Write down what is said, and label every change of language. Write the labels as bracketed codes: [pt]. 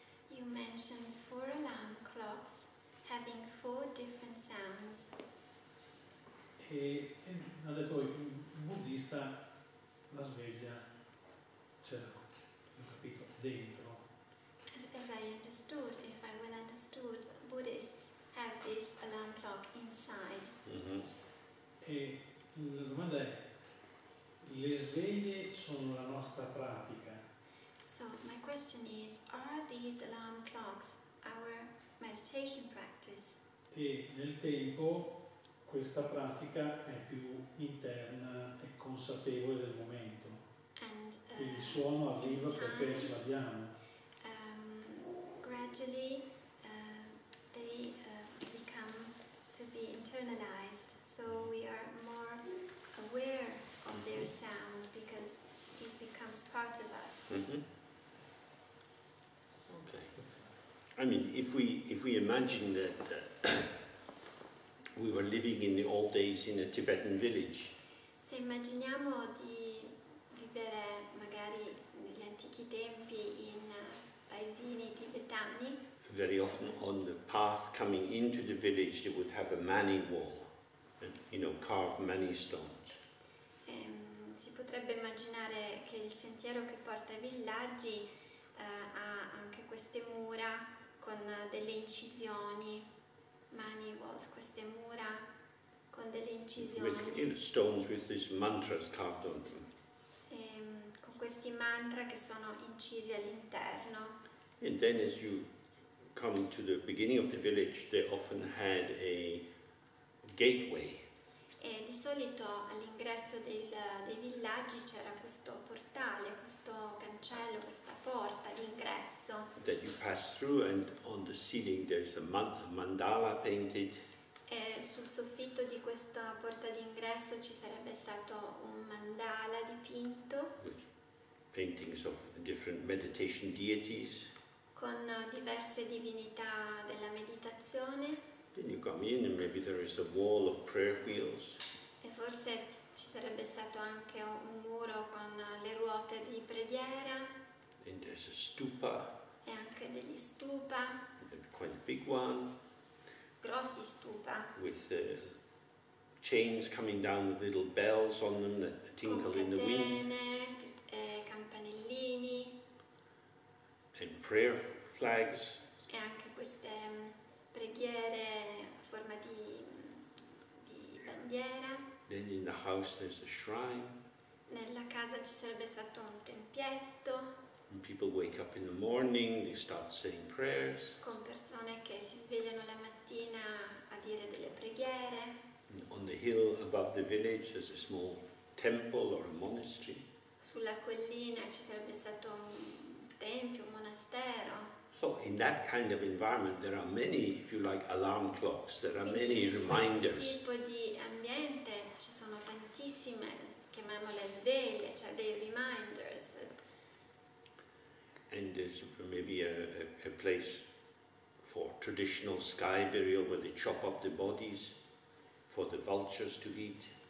[en] You mentioned four alarm clocks having four different sounds. [it] E ha detto il buddista la sveglia c'è, ho capito, dentro. [en] And as I understood, if I well understood, Buddhists have this alarm clock inside. Mm-hmm. [it] E la domanda è, le sveglie sono la nostra pratica. [en] So my question is, are these alarm clocks our meditation practice? [it] E nel tempo questa pratica è più interna e consapevole del momento. [en] And [it] il suono arriva perché ce l'abbiamo. [en] Gradually they become to be internalized, so we are more aware of their sound because it becomes part of us. Mm-hmm. Okay. I mean, if we imagine that we were living in the old days in a Tibetan village. [it] Se immaginiamo di vivere magari negli antichi tempi in paesini tibetani. [en] Very often on the path coming into the village it would have a mani wall, and, you know, carved mani stones. [it] Si potrebbe immaginare che il sentiero che porta ai villaggi ha anche queste mura con delle incisioni, mani walls, queste mura con delle incisioni. [en] With, you know, stones with these mantras carved on them. [it] Con questi mantra che sono incisi all'interno. [en] And then as you come to the beginning of the village, they often had a gateway. [it] E di solito all'ingresso dei villaggi c'era questo portale, questo cancello, questa porta d'ingresso. [en] That you pass through, and on the ceiling there's a mandala painted. [it] E sul soffitto di questa porta d'ingresso ci sarebbe stato un mandala dipinto. [en] With paintings of different meditation deities. [it] Con diverse divinità della meditazione. [en] Then you come in and maybe there is a wall of prayer wheels. [it] E forse ci sarebbe stato anche un muro con le ruote di preghiera. [en] And there's a stupa. [it] E anche degli stupa. [en] And quite a big one. [it] Grossi stupa. [en] With chains coming down with little bells on them that tinkle in the wind. [it] Con catene, campanellini. [en] And prayer flags. [it] E anche queste preghiere a forma di bandiera. [en] Then in the house there's a shrine. [it] Nella casa ci sarebbe stato un tempietto. [en] When people wake up in the morning, they start saying prayers. [it] Con persone che si svegliano la mattina a dire delle preghiere. [en] And on the hill above the village there's a small temple or a monastery. [it] Sulla collina ci sarebbe stato un tempio, un monastero. [en] So in that kind of environment there are many, if you like, alarm clocks, there are many reminders. [it] In quel tipo di ambiente ci sono tantissime, chiamiamole sveglie, cioè dei reminders. [en] And there's maybe a place for traditional sky burial where they chop up the bodies for the vultures to eat.